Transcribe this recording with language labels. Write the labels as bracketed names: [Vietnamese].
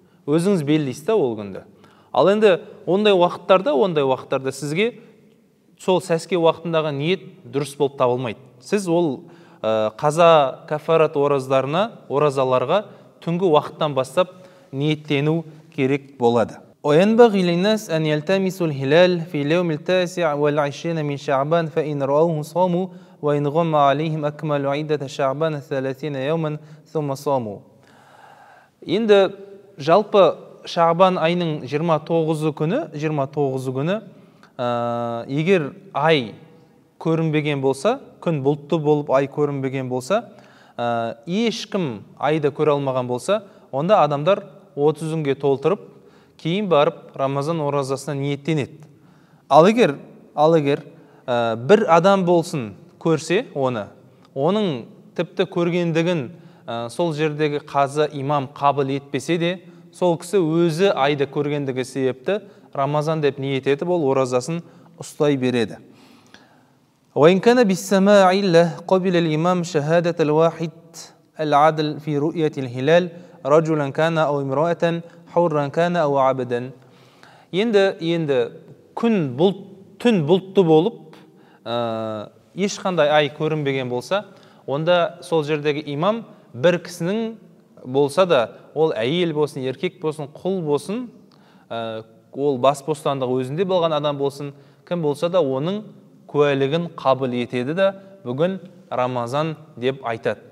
[Kazakh] Өзіңіз белгілейсіз та ол күнді. Ал енді ондай уақыттарда сізге сол сәске уақытындағы ниет дұрыс болып табылмайды. Сіз ол қаза, кафарат оразаларға түнгі уақыттан бастап ниеттену керек болады. [Arabic] وينبغي للناس أن يلتمسوا الهلال في اليوم التاسع والعشرين من شعبان فإن رأوه صاموا وإن غم عليهم أكملوا عدة شعبان الثلاثين يوما ثم صاموا. [Kazakh] Енді жалпы Шағбан айының 29-ы күні, егер ай көрінбеген болса, күн бұлтты болып ай көрінбеген болса, ешкім айды көре алмаған болса, онда адамдар 30 күнге толтырып, кейін барып Рамазан оразасына ниеттенеді. Ал егер бір адам болсын көрсе оны, оның тіпті көргендігін сол жердегі қазы имам қабыл етпесе де, сол кісі өзі айды көргендігі себепті Рамазан деп ниет етіп, ол оразасын ұстай береді. [Arabic] وإن كان بالسماع إلا قبل الإمام شهادة الواحد العدل في رؤية الهلال رجلا كان أو امرأة حرا كان أو عبدا. [Kazakh] Енді күн бұлт, түн бұлтты болып, ешқандай ай көрінбеген болса, онда сол жердегі имам бір кісінің болса да, ол әйел болсын, еркек болсын, құл болсын, ол бас бостандығы өзінде болған адам болсын, кім болса да оның куәлігін қабыл етеді де, бүгін Рамазан деп айтады.